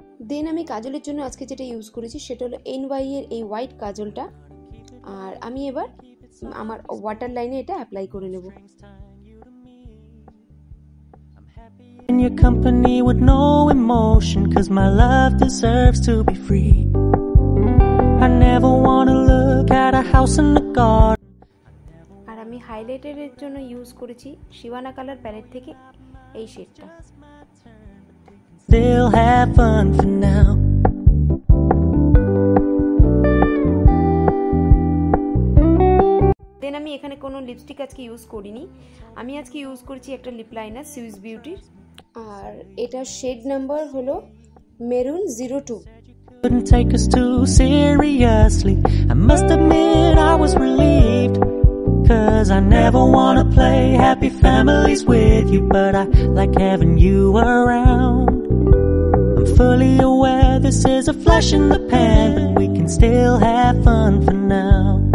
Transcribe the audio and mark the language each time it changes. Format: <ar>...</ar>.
<bn>দেন আমি কাজলের জন্য আজকে যেটা ইউজ করেছি সেটা হলো NY এর এই হোয়াইট কাজলটা। আর আমি এবার আমার ওয়াটার লাইনে এটা অ্যাপ্লাই করে নেব।</bn> <en>In your company with no emotion, cuz my love deserves to be free. I never want to look at a house in the garden.</en> <bn>আর আমি হাইলাইটার এর জন্য ইউজ করেছি সিভানা কালার প্যালেট থেকে এই শেডটা।</bn> <en>Still have fun for now.</en> <bn>দেন আমি এখানে কোনো লিপস্টিক আজকে ইউজ করিনি। আমি আজকে ইউজ করেছি একটা লিপ লাইনার সিউজ বিউটির, আর এটার শেড নাম্বার হলো maroon 02।</bn> <en>Couldn't take us too seriously. I must admit I was relieved, cause I never wanna play happy families with you, but I like having you around. I'm fully aware this is a flash in the pan, but we can still have fun for now.</en>